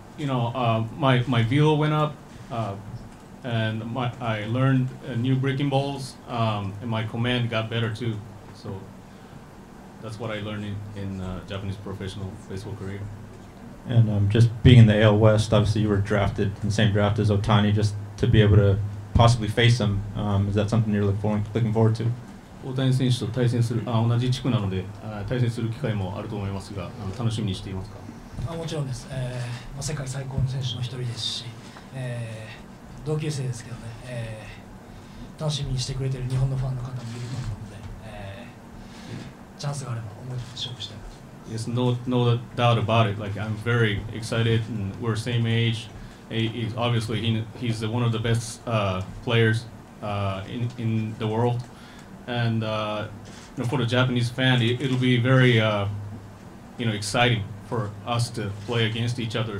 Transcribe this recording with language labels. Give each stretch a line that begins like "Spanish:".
English: My velo went up, and I learned new breaking balls, and my command got better too. So that's what I learned in Japanese professional baseball career. And just being in the AL West, obviously you were drafted in the same draft as Otani, just to be able to possibly face him. Is that something you're looking forward to?
Japanese: Otani 選手と対戦する、同じ地区なので、対戦する機会もあると思いますが、楽しみにしていますか？もちろんです。世界最高の選手の一人ですし、同級生ですけどね、楽しみにしてくれている日本のファンの方もいると思うので、チャンスがあれば思い切って勝負したいなと。
English: Yes, no doubt about it. Like, I'm very excited and we're same age. He's obviously he's one of the best players in the world. And you know, for the Japanese fan, it'll be very you know, exciting for us to play against each other.